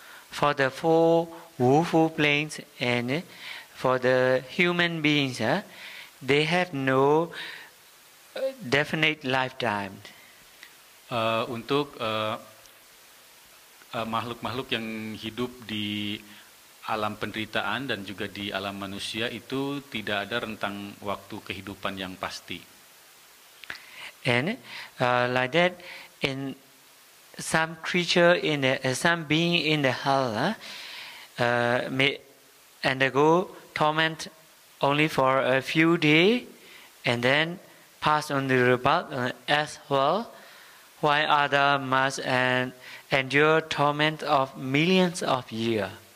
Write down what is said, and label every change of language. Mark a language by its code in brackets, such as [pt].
[en] For the four wufu planes and for the human beings, they have no definite lifetime. [id] Untuk makhluk-makhluk yang hidup di alam penderitaan dan juga di alam manusia itu tidak ada rentang waktu kehidupan yang pasti. [en] And like that, in some creature in the, some being in the hell may undergo torment only for a few days and then pass on the rebirth as well, while other must endure torment of millions of years.